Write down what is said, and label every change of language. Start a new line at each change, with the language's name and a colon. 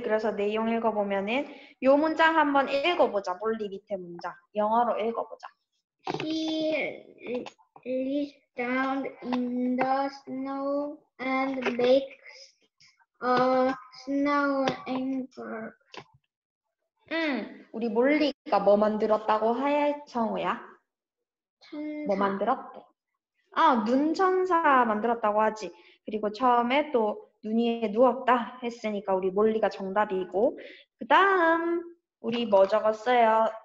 Korean: 그래서 내용 읽어보면은 요 문장 한번 읽어보자. 멀리 밑에 문장 영어로 읽어보자.
English: He lives down in the snow and makes a snow angel.
Korean: 우리 몰리가 뭐 만들었다고 해, 성우야? 뭐 만들었대? 눈 천사 만들었다고 하지. 그리고 처음에 또 눈 위에 누웠다 했으니까 우리 몰리가 정답이고, 그 다음 우리 뭐 적었어요?